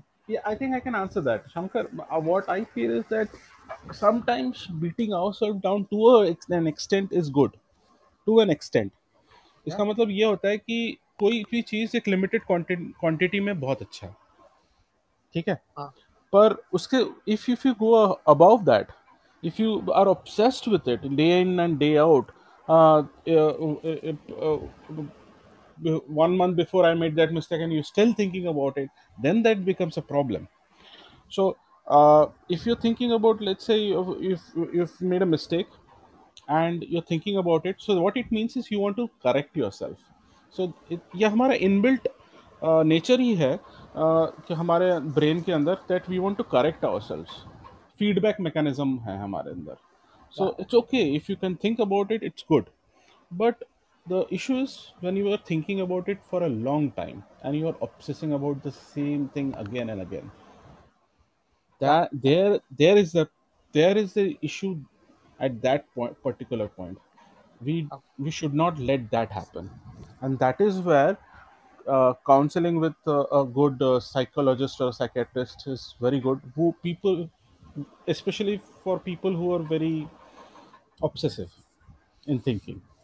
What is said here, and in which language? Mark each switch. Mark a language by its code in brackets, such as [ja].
[en] Yeah, I think I can answer that, Shankar. What I feel is that sometimes beating ourselves down to an extent is good. To an extent, [hi] इसका मतलब ये होता है कि कोई भी चीज़ एक लिमिटेड क्वांटिटी में बहुत अच्छा है, ठीक है? पर उसके [en] If if you go above that, if you are obsessed with it day in and day out. One month before I made that mistake and you still thinking about it, then that becomes a problem. So if you thinking about, let's say if you made a mistake and you thinking about it, so what it means is you want to correct your self. [hi] सो ये हमारा inbuilt nature ही है कि हमारे brain के अंदर [en] that we want to correct our self, [hi] feedback mechanism है हमारे अंदर. [en] So it's okay if you can think about it, it's good. But the issue is when you are thinking about it for a long time and you are obsessing about the same thing again and again, that there is the issue at that point, particular point. We should not let that happen, and that is where counseling with a good psychologist or psychiatrist is very good. Who people, especially for people who are very obsessive in thinking.